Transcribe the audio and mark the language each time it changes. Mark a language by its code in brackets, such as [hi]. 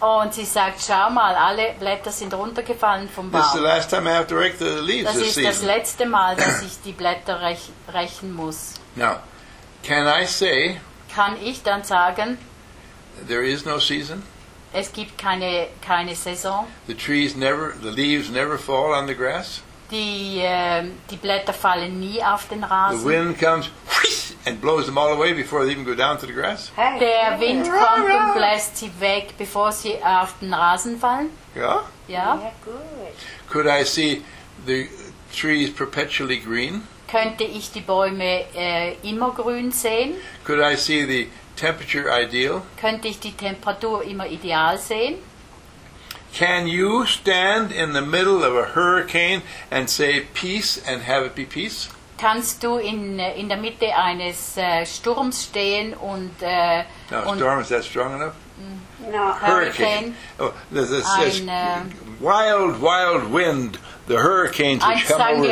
[de] Und sie sagt, schau mal, alle Blätter sind runtergefallen vom Baum. [en] This is the last time I have to rake the leaves this season. [de] Das ist das letzte Mal, dass ich die Blätter rächen muss. [en] Now, can I say? [de] Kann ich dann sagen? [en] There is no season. [de] Es gibt keine Saison. [en] The trees never, the leaves never fall on the grass. [de] Die Blätter fallen nie auf den Rasen. [en] The wind comes. And blows them all away before they even go down to the grass. Hey. [de] Der Wind kommt und bläst sie weg, bevor sie auf den Rasen fallen. Ja. Ja. [en] Good. Could I see the trees perpetually green? [de] Könnte ich die Bäume immer grün sehen? [en] Could I see the temperature ideal? [de] Könnte ich die Temperatur immer ideal sehen? [en] Can you stand in the middle of a hurricane and say peace and have it be peace? [de] Kannst du in der Mitte eines Sturms stehen und... [en] No, storm, is that strong enough? No. Hurricane. Oh, there's wild, wild wind. The hurricanes which come over